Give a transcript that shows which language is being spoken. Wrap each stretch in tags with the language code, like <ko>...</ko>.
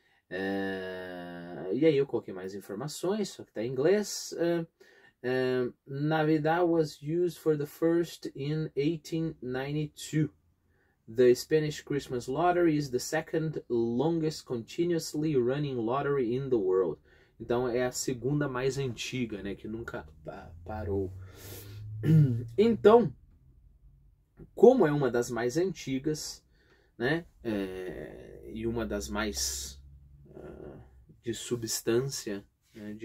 <pt>E aí eu coloquei mais informações, só que está em inglês.</pt> <en>Navidad was used for the first in 1892. The Spanish Christmas Lottery is the second longest continuously running lottery in the world.</en> <pt>Então é a segunda mais antiga, né? Que nunca parou. Então, como é uma das mais antigas, né? E uma das mais de substância, né?</pt>